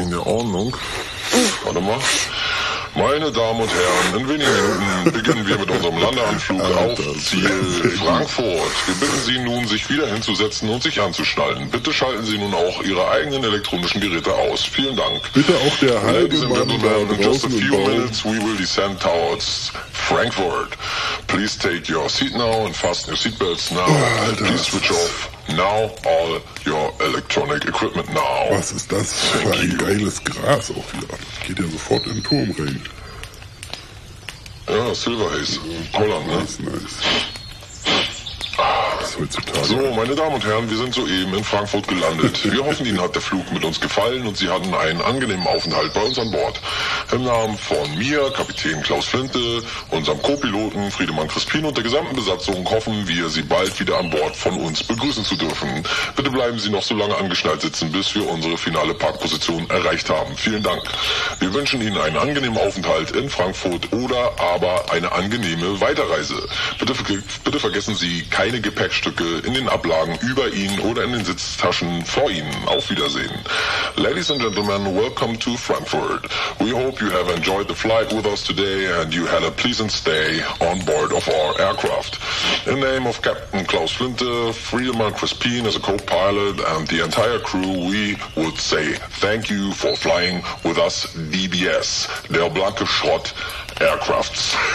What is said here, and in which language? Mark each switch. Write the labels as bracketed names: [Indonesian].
[German] Wegen der Ordnung. Warte mal. Meine Damen und Herren, in wenigen Minuten beginnen wir mit unserem Landeanflug auf Ziel Frankfurt. Wir bitten Sie nun, sich wieder hinzusetzen und sich anzuschnallen. Bitte schalten Sie nun auch Ihre eigenen elektronischen Geräte aus. Vielen Dank. Bitte auch der halbe Mann da [English] in just a few minutes we will descend towards Frankfurt. Please take your seat now and fasten your seatbelts now. [German] Oh, Alter. [English] Please switch off now all your electronic equipment now. [German] Was ist das für ein geiles Gras auch wieder. Geht ja sofort in den Turm rein. Ja, Silver Haze. Holland, ne? [English] Nice, nice. [German] Das heutzutage. So, meine Damen und Herren, wir sind soeben in Frankfurt gelandet. Wir hoffen, Ihnen hat der Flug mit uns gefallen und Sie hatten einen angenehmen Aufenthalt bei uns an Bord. Im Namen von mir, Kapitän Klaus Flinte, unserem Co-Piloten Friedemann Crispin und der gesamten Besatzung hoffen wir, Sie bald wieder an Bord von uns begrüßen zu dürfen. Bitte bleiben Sie noch so lange angeschnallt sitzen, bis wir unsere finale Parkposition erreicht haben. Vielen Dank. Wir wünschen Ihnen einen angenehmen Aufenthalt in Frankfurt oder aber eine angenehme Weiterreise. Bitte vergessen Sie keine Gepäckstücke in den Ablagen über Ihnen oder in den Sitztaschen vor Ihnen. Auf Wiedersehen. [English] Ladies and gentlemen, welcome to Frankfurt. We hope you have enjoyed the flight with us today and you had a pleasant stay on board of our aircraft. In name of Captain Klaus Flinte, Friedemann Crispin as a co-pilot and the entire crew, we would say thank you for flying with us DBS, der blanke Schrott Aircrafts.